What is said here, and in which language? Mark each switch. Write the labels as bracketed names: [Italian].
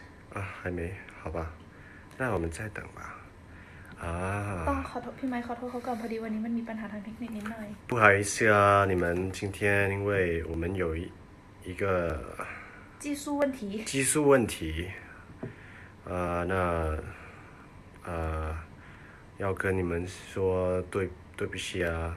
[Chinese] 还没，好吧，那我们再等吧， [Thai] ขอโทษพี่ไมค์ขอโทษเขาก่อนพอดีวันนี้มันมีปัญหาทางเทคนิคนิดหน่อย [Chinese] 不好意思啊，你们今天因为我们有一个技术问题，那要跟你们说对不起啊，